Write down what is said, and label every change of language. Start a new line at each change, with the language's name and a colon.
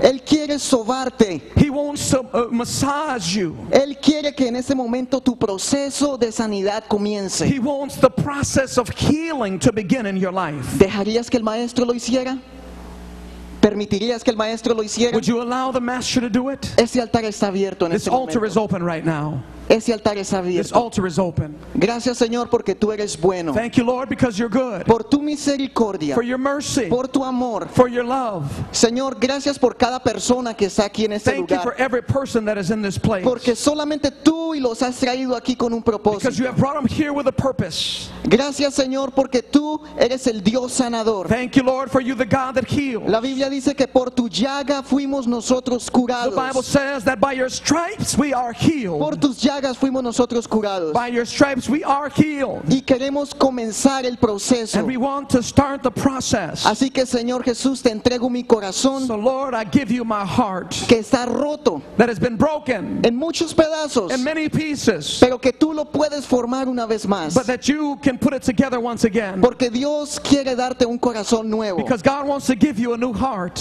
Spanish: Él quiere sobarte.
English: He wants to massage you.
Spanish: Él quiere que en ese momento tu proceso de sanidad comience.
English: He wants the process of healing to begin in your life.
Spanish: ¿Dejarías que el maestro lo hiciera? ¿Permitirías que el maestro lo hiciera?
English: Would you allow the master to do it?
Spanish: Ese altar está abierto en este momento.
English: This altar is open right now.
Spanish: Ese altar es abierto.
English: This altar is open.
Spanish: Gracias, Señor, porque tú eres bueno.
English: Thank you, Lord, because you're good.
Spanish: Por tu misericordia.
English: For your mercy.
Spanish: Por tu amor.
English: For your love.
Spanish: Señor, gracias por cada persona que está aquí en este
English: Thank
Spanish: lugar.
English: Thank you for every person that is in this place.
Spanish: Porque solamente tú y los has traído aquí con un propósito.
English: Because you have brought them here with a purpose.
Spanish: Gracias, Señor, porque tú eres el Dios sanador.
English: Thank you, Lord, for you the God that heals.
Spanish: La Biblia dice que por tu llaga fuimos nosotros curados.
English: The Bible says that by your stripes we are healed.
Spanish: Por tus llagas fuimos nosotros curados.
English: By your stripes we are healed.
Spanish: Y queremos comenzar el proceso.
English: And we want to start the process.
Spanish: Así que, Señor Jesús, te entrego mi corazón.
English: So Lord, I give you my heart.
Spanish: Que está roto.
English: That has been broken.
Spanish: En muchos pedazos.
English: In many pieces.
Spanish: Pero que tú lo puedes formar una vez más.
English: But that you can put it together once again.
Spanish: Porque Dios quiere darte un corazón nuevo.
English: Because God wants to give you a new heart.